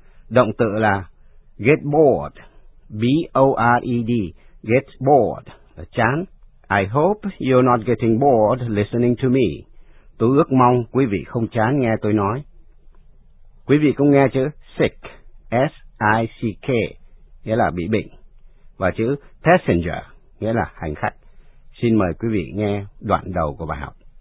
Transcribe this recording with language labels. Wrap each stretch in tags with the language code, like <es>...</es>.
<vi>Động từ là get bored, B-O-R-E-D, get bored, là chán.</vi> <en>I hope you're not getting bored listening to me.</en> <vi>Tôi ước mong quý vị không chán nghe tôi nói. Quý vị cũng nghe chữ sick, S-I-C-K, nghĩa là bị bệnh, và chữ passenger, nghĩa là hành khách. Xin mời quý vị nghe đoạn đầu của bài học.</vi>